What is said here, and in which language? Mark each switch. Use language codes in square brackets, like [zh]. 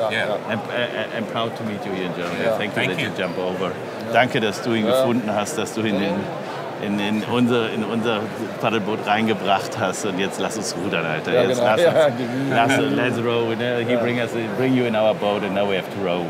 [en] And proud to meet you here in Germany. Yeah. Thank you that you jump over. Yeah. [de] Danke, dass du ihn gefunden hast, dass du ihn in unser Paddelboot reingebracht hast. Und jetzt lass uns rudern, Alter. [en] Let's row. He bring you in our boat and now we have to row.